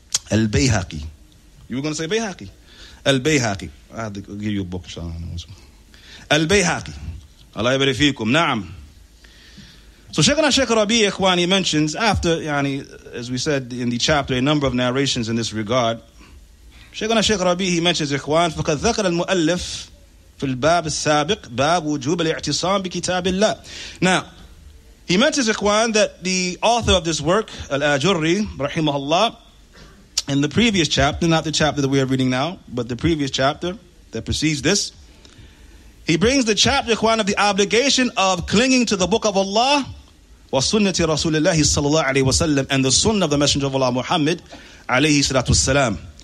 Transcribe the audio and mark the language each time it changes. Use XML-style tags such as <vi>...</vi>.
<en>Al-Bayhaqi. You were going to say Bayhaqi? Al-Bayhaqi. I'll give you a book. Al-Bayhaqi. Allah yabarifikum. Naam. So Shaykhuna Shaykh Rabi Ikhwani mentions after, yani, as we said in the chapter, a number of narrations in this regard.</en> <ar>Shaykhuna Shaykh Rabi,</ar> <en>he mentions Ikhwan,</en> <ar>فَقَدْ ذَكَرَ الْمُؤَلِّفْ فِي الْبَابِ السَّابِقِ بَابُ وُجُوبَ الْاِعْتِصَامِ بِكِتَابِ اللَّهِ.</ar> <en>Now, he mentions Ikhwan that the author of this work, Al-Ajurri, rahimahullah, in the previous chapter, not the chapter that we are reading now, but the previous chapter that precedes this, he brings the chapter, ikhwan, of the obligation of clinging to the book of Allah</en> <ar>wa sunnati Rasulullah sallallahu alayhi wa sallam,</ar> <en>and the sunnah of the Messenger of Allah Muhammad alayhi salatu wassalam.</en>